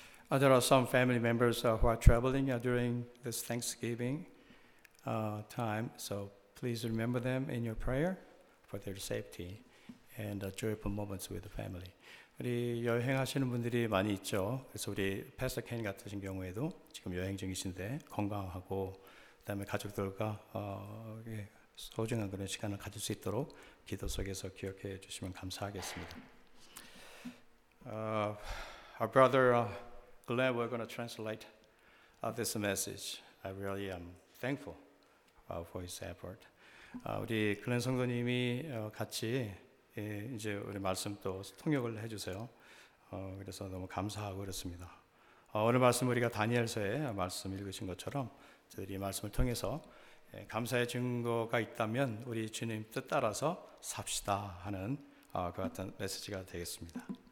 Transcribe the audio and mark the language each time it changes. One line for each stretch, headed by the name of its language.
English: There are some family members who are traveling during this Thanksgiving time, so please remember them in your prayer for their safety and joyful moments with the family.
Korean: 우리 여행하시는 분들이 많이 있죠. 그래서 우리 패스터 켄 같으신 경우에도 지금 여행 중이신데 건강하고 그다음에 가족들과 소중한 그런 시간을 가질 수 있도록 기도 속에서 기억해 주시면 감사하겠습니다.
English: Our brother Glenn, we're going to translate this message. I really am thankful for his effort.
Korean: 우리 글렌 성도님이 같이 이제 우리 말씀 또 통역을 해주세요. 그래서 너무 감사하고 그렇습니다. 오늘 말씀 우리가 다니엘서의 말씀 읽으신 것처럼 저희들이 말씀을 통해서 감사의 증거가 있다면 우리 주님 뜻 따라서 삽시다 하는 그 같은 메시지가 되겠습니다.